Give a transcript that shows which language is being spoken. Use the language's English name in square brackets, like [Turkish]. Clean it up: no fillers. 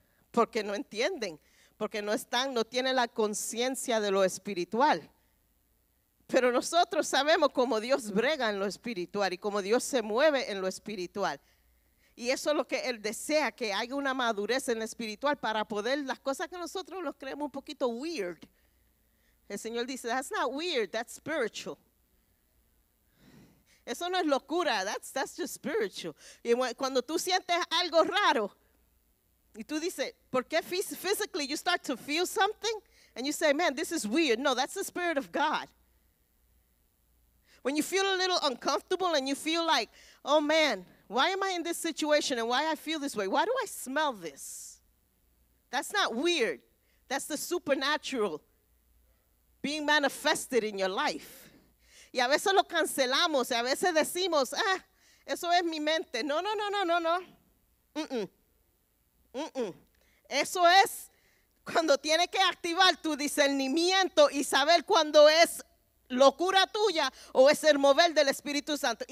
[Spanish] Porque no entienden. Porque no tienen la conciencia de lo espiritual. Pero nosotros sabemos cómo Dios brega en lo espiritual y cómo Dios se mueve en lo espiritual. Y eso es lo que Él desea, que haya una madurez en lo espiritual para poder las cosas que nosotros nos creemos un poquito weird. El Señor dice, [English] that's not weird, that's spiritual. [Spanish] Eso no es locura, [English] that's just spiritual. [Spanish] Y cuando tú sientes algo raro y tú dices, ¿por qué [English] physically you start to feel something? And you say, man, this is weird. No, that's the Spirit of God. When you feel a little uncomfortable and you feel like, oh man, why am I in this situation and why I feel this way? Why do I smell this? That's not weird. That's the supernatural being manifested in your life. [Spanish] Y a veces lo cancelamos y a veces decimos, ah, eso es mi mente. No, no, no, no, no, no. Eso es cuando tienes que activar tu discernimiento y saber cuando es locura tuya o es el mover del Espíritu Santo.